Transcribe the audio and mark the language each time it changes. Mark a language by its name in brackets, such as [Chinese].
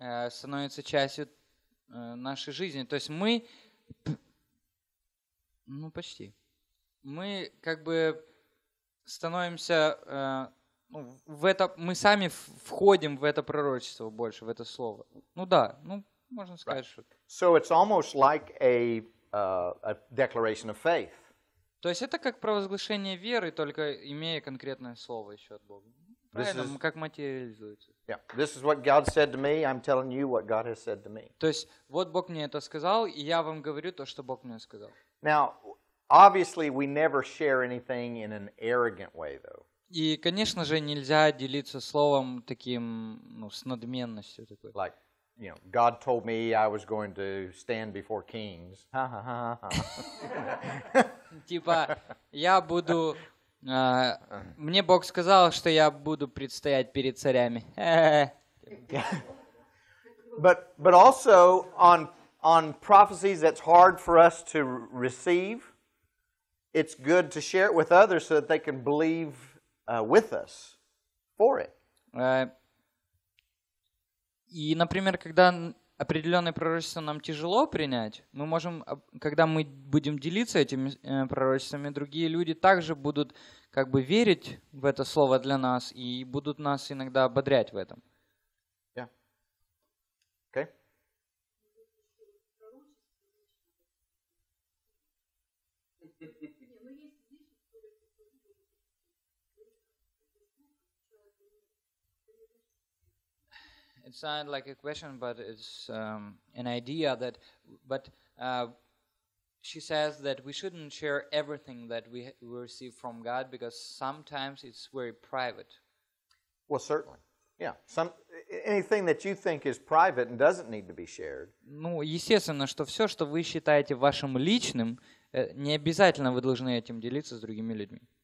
[Russian] Становится частью нашей жизни. То есть мы, ну почти, мы как бы становимся, ну, в это, мы сами входим в это пророчество больше, в это слово. Ну да, ну можно сказать, right. Что. [English] So it's almost like a declaration of faith. [Russian] То есть это как провозглашение веры, только имея конкретное слово еще от Бога. Правильно, как материализуется. [English] Yeah. This is what God said to me. I'm telling you what God has said to me. [Russian] То есть вот Бог мне это сказал, и я вам говорю то, что Бог мне сказал. [English] Now, obviously, we never share anything in an arrogant way, though. [Russian] И, конечно же, нельзя делиться словом таким, ну, с надменностью такой. [English] Like, you know, God told me I was going to stand before kings. [Russian] Типа, я буду. Мне Бог сказал, что я буду предстоять перед царями. [English] But also on prophecies that's hard for us to receive, it's good to share it with others so that they can believe with us for it. [Russian] И, например, когда определенное пророчество нам тяжело принять, мы можем, когда мы будем делиться этими пророчествами, другие люди также будут как бы верить в это слово для нас и будут нас иногда ободрять в этом. [English] Yeah. Okay. It sounded like a question, but it's an idea that, but she says that we shouldn't share everything that we receive from God because sometimes it's very private. Well, certainly, yeah. Anything that you think is private and doesn't need to be shared. [Russian] Ну, естественно, что все, что вы считаете вашим личным, не обязательно вы должны этим делиться с другими людьми.